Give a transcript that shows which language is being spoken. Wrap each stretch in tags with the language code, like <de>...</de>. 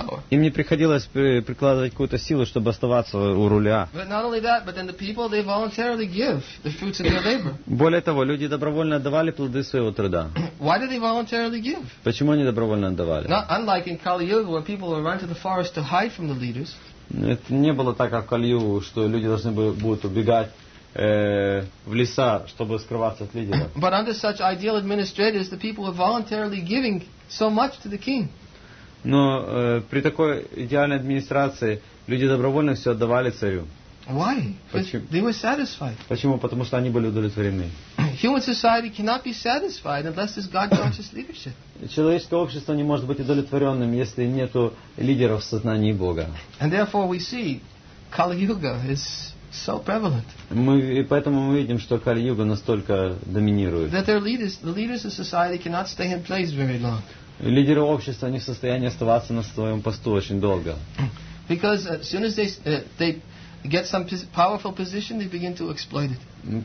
<ru>Им не приходилось прикладывать какую-то силу, чтобы оставаться у руля.</ru> <en>But not only that, but then the people, they voluntarily give the fruits of their labor.</en> <ru>Более того, люди добровольно отдавали плоды своего труда.</ru> <en>Why did they voluntarily give?</en> <ru>Почему они добровольно отдавали?</ru> <en>Not unlike in Kali Yuga, where people would run to the forest to hide from the leaders.</en> <ru>Это не было так, как в Кали-Югу, что люди должны будут убегать в леса, чтобы скрываться от лидера.</ru> <en>But under such ideal administrators, the people were voluntarily giving so much to the king.</en> <ru>Но при такой идеальной администрации люди добровольно все отдавали царю.</ru> <en>Why?</en> <ru>Почему?</ru> <en>They were satisfied.</en> <ru>Почему? Потому что они были удовлетворены.</ru> <en>Human society cannot be satisfied unless there's God-conscious leadership.</en> <ru>Человеческое общество не может быть удовлетворенным, если нету лидеров в сознании Бога.</ru> <en>And therefore we see Kali-Yuga is so prevalent.</en> <ru>Мы и поэтому мы видим, что Кали-Юга настолько доминирует.</ru> <en>That their leaders, the leaders of society, cannot stay in place very long.</en> <ru>Лидеры общества не в состоянии оставаться на своем посту очень долго.</ru> <en>Because as soon as they get some powerful position, they begin to exploit it.</en>